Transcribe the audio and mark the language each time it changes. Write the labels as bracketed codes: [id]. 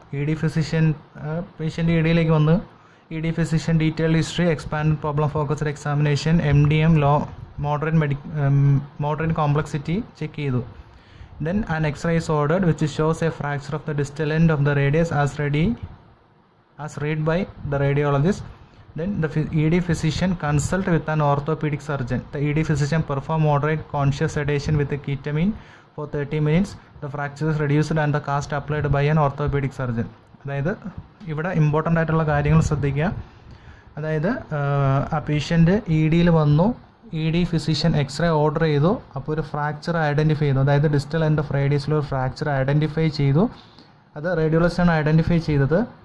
[ml] ED physician patient ED യിലേക്ക് വന്ന് ED physician detailed history, expanded problem focused examination, MDM, law moderate complexity check ചെയ്തു. [en] Then an X-ray is ordered, which shows a fracture of the distal end of the radius as read by the radiologist. Then the ED physician consult with an orthopedic surgeon. The ED physician perform moderate conscious sedation with the ketamine for 30 minutes. The fracture is reduced and the cast applied by an orthopedic surgeon. [ml] അതായത് ഇവിടെ important ആയിട്ടുള്ള കാര്യങ്ങൾ ശ്രദ്ധിക്കുക. അതായത് ആ patient E ഡിയിൽ വന്നു, E D physician x-ray order ചെയ്തു, അപ്പോൾ ഒരു ഫ്രാക്ചർ ഐഡൻറ്റിഫൈ ചെയ്തു, അതായത് ഡിസ്റ്റൽ എൻഡ് ഓഫ് റേഡിയസിൽ ഒരു ഫ്രാക്ചർ ഐഡൻറ്റിഫൈ ചെയ്തു, അത് റേഡിയോളജിസ്റ്റാണ് ഐഡൻറ്റിഫൈ ചെയ്തത്.